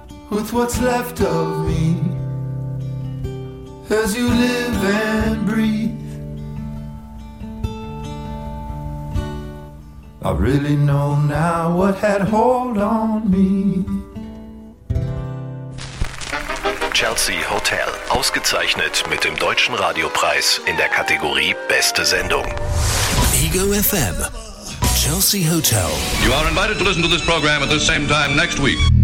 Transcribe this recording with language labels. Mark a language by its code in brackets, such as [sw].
[en] With what's left of me, as you live and breathe, I really know now what had hold on me. [de] Chelsea Hotel, ausgezeichnet mit dem Deutschen Radiopreis in der Kategorie Beste Sendung. Ego FM, Chelsea Hotel. [en] You are invited to listen to this program at the same time next week.